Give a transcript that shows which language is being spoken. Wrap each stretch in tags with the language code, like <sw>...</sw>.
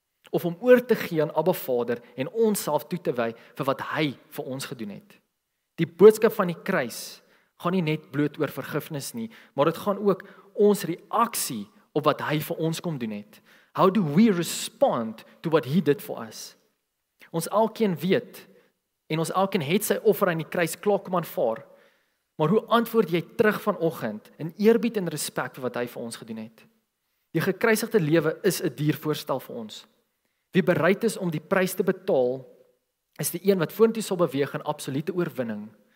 <af>Of om oor te gee aan Abba Vader en onsself toe te wy vir wat hy vir ons gedoen het. Die boodskap van die kruis gaan nie net bloot oor vergifnis nie, maar dit gaan ook ons reaksie op wat hy vir ons kom doen het?</af> <en>How do we respond to what he did for us?</en> <af>Ons elkeen weet, en ons elkeen het sy offer aan die kruis klaar kom aanvaar, maar hoe antwoord jy terug vanoggend in eerbied en respect vir wat hy vir ons gedoen het? Die gekruisigde lewe is 'n duur voorstel vir ons. Wie bereid is om die prys te betaal, is die een wat vorentoe sal beweeg in absolute oorwinning.</af>